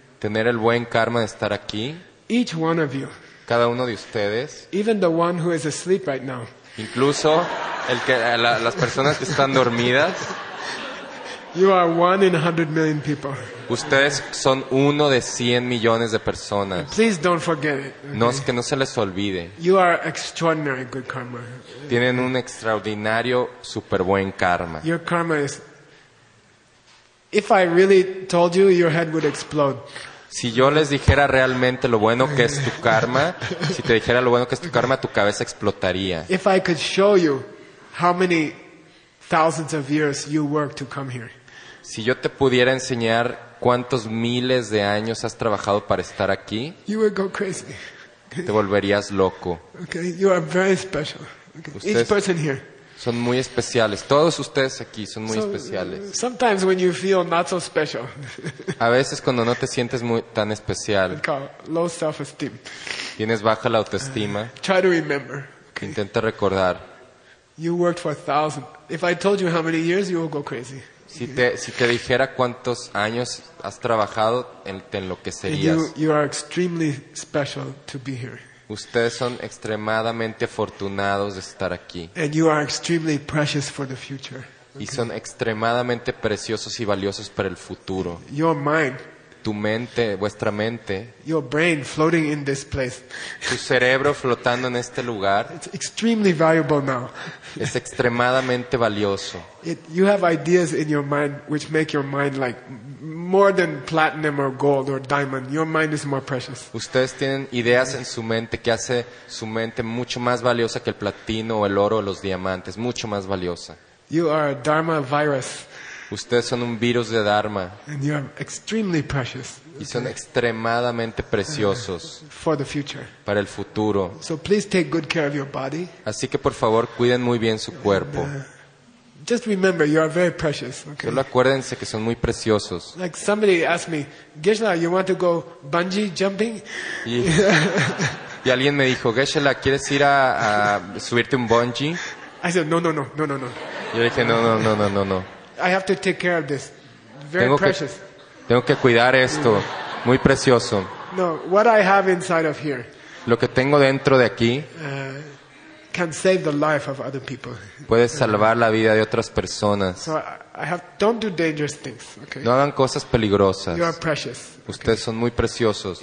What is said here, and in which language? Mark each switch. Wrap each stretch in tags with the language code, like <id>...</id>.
<es>Tener el buen karma de estar aquí.</es> <en>Each one of you.</en> <es>Cada uno de ustedes,</es> <en>even the one who is asleep right now,</en> <es>incluso el que las personas que están dormidas,</es> <en>you are one in 100 million people.</en> <es>Ustedes son uno de 100 millones de personas.</es> <en>And please don't forget it. Okay?</en> <es>No, es que no se les olvide.</es> <en>You are extraordinary good karma.</en> <es>Tienen un extraordinario super buen karma.</es> <en>Your karma is, if I really told you, your head would explode.</en> <es>Si yo les dijera realmente lo bueno que es tu karma, si te dijera lo bueno que es tu karma, tu cabeza explotaría.</es> <en>If I could show you how many thousands of years you worked to come here.</en> <es>Si yo te pudiera enseñar cuántos miles de años has trabajado para estar aquí,</es> <en>you would go crazy.</en> <es>Te volverías loco.</es> <en>Okay, you are very special. Okay. Each person here.</en> <es>Son muy especiales. Todos ustedes aquí son muy especiales.</es> <en>Sometimes when you feel not so special.</en> <es>A veces cuando no te sientes muy tan especial.</es> <en>Low self-esteem.</en> <es>Tienes baja la autoestima.</es> <en>Try to remember.</en> <es>Okay. Intenta recordar.</es> <en>You worked for 1,000. If I told you how many years, you will go crazy.</en> <es>Si te dijera cuántos años has trabajado, te enloquecerías.</es> <en>You are extremely special to be here.</en> <es>Ustedes son extremadamente afortunados de estar aquí.</es> <en>And you are extremely precious for the future.</en> <es>Okay. Y son extremadamente preciosos y valiosos para el futuro.</es> <en>Your mind.</en> <es>Tu mente, vuestra mente.</es> <en>Your brain floating in this place.</en> <es>Tu cerebro flotando en este lugar.</es> <en>It's extremely valuable now.</en> <es>Es extremadamente valioso.</es> <en>You have ideas in your mind which make your mind like more than platinum or gold or diamond. Your mind is more precious.</en> <es>Ustedes tienen ideas en su mente que hace su mente mucho más valiosa que el platino o el oro o los diamantes, mucho más valiosa.</es> <en>You are a dharma virus.</en> <es>Ustedes son un virus de dharma.</es> <en>And you are extremely precious.</en> <es>Y son extremadamente preciosos.</es> <en>For the future.</en> <es>Para el futuro.</es> <en>So please take good care of your body.</en> <es>Así que por favor, cuiden muy bien su cuerpo.</es> <en>Just remember, you are very precious. Okay.</en> <es>Solo acuérdense que son muy preciosos.</es> <en>Like somebody asked me, Geshe-la, you want to go bungee jumping?</en> <es>Y alguien me dijo, Geshe-la, ¿quieres ir a subirte un bungee?</es> <en>I said, no.</en> <es>Yo dije, no.</es> <en>I have to take care of this. Very</en> <es>tengo</es> <en>precious.</en> <es>Tengo que cuidar esto. Muy precioso.</es> <en>No, what I have inside of here.</en> <es>Lo que tengo dentro de aquí.</es> <en>Can save the life of other people.</en> <es>Puede salvar la vida de otras personas.</es> <en>So don't do dangerous things, okay?</en> <es>No hagan cosas peligrosas.</es> <en>You are precious.</en> <es>Ustedes son muy preciosos.</es>